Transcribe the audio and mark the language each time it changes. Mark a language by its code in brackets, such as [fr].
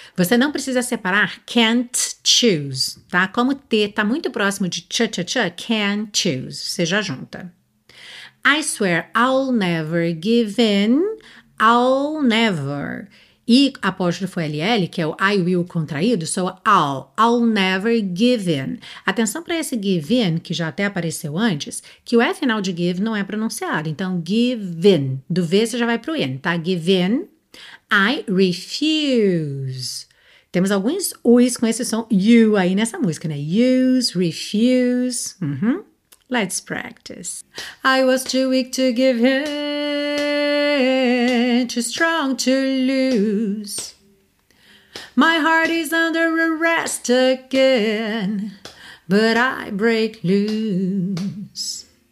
[pt] Você não precisa separar can't choose, tá? Como T tá muito próximo de ch-ch-ch, can choose. Você já junta. [en] I swear I'll never give in. I'll never. [pt] E apóstrofo LL, que é o I will contraído, soa I'll. [en] I'll never give in. [pt] Atenção para esse give in, que já até apareceu antes, que o F final de give não é pronunciado. Então, give in. Do V você já vai pro in, tá? Give in. [en] I refuse. [pt] Temos alguns U's com esse som U aí nessa música, né? [en] Use, refuse. Uhum. Let's practice. I was too weak to give in, too strong to lose. My heart is under arrest again, but I break loose.